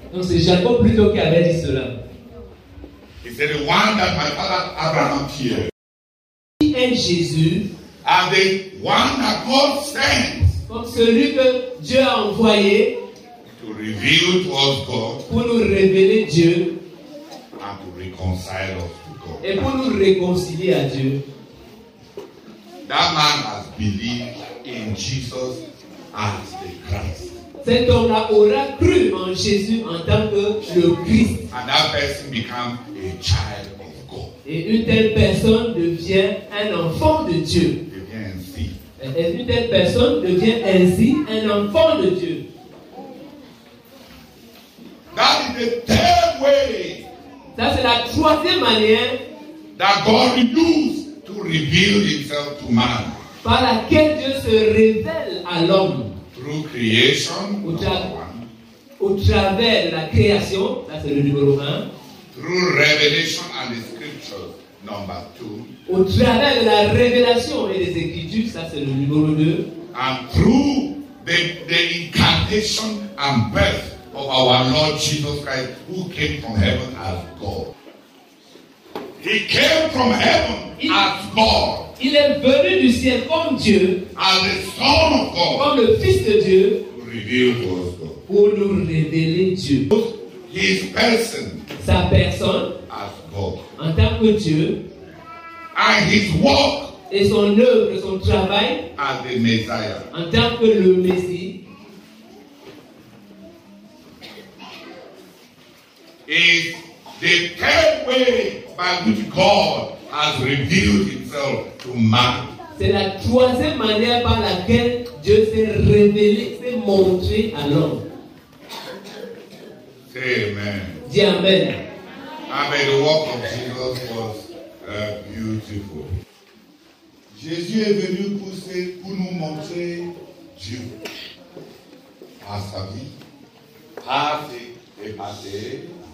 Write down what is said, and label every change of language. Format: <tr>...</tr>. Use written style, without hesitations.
<fr>Non, c'est Jacob plutôt qui avait dit cela.</fr> <en>He said, the one that my father Abraham feared.</en> <fr>Qui est Jésus?</fr> <en>And the one that God sent.</en> <fr>Comme celui que Dieu a envoyé.</fr> <en>To to reveal to us God.</en> <fr>Pour nous révéler Dieu.</fr> <en>And to reconcile us to God.</en> <fr>Et pour nous réconcilier à Dieu.</fr> <en>That man has believed in Jesus as the Christ.</en> <fr>Cet homme là aura cru en Jésus en tant que le Christ.</fr> <en>And that person becomes a child of God.</en> <fr>Et une telle personne devient un enfant de Dieu. Et une telle personne devient ainsi un enfant de Dieu.</fr> <en>That is the third way.</en> <fr>Ça c'est la troisième manière.</fr> <en>That God renews to reveal Himself to man.</en> <fr>Par laquelle Dieu se révèle à l'homme.</fr> <en>Through creation.</en> <fr>Au travers de la création. Ça c'est le numéro 1.</fr> <en>Through revelation and the scriptures. Number 2.</en> <fr>Au travers de la révélation et des écritures, ça c'est le numéro 2.</fr> <en>And through the incarnation and birth of our Lord Jesus Christ, who came from heaven as God. He came from heaven as God.</en> <fr>Il est venu du ciel comme Dieu.</fr> <en>As the Son of God.</en> <fr>Comme le Fils de Dieu.</fr> <en>To reveal to us God.</en> <fr>Pour nous révéler Dieu.</fr> <en>His person.</en> <fr>Sa personne.</fr> <en>As God.</en> <fr>En tant que Dieu.</fr> <en>And his work,</en> <fr>et son œuvre, son travail,</fr> <en>as the Messiah,</en> <fr>en tant que le Messie,</fr> <en>is the third way by which God has revealed Himself to man.</en> <fr>C'est la troisième manière par laquelle Dieu s'est révélé, s'est montré à l'homme.</fr> <en>Say amen.</en> <fr>Dis amen.</fr> <en>Amen. The work of Jesus was. Beautiful.</en> <fr>Jésus est venu pour nous montrer Dieu par sa vie, par ses passés.</fr>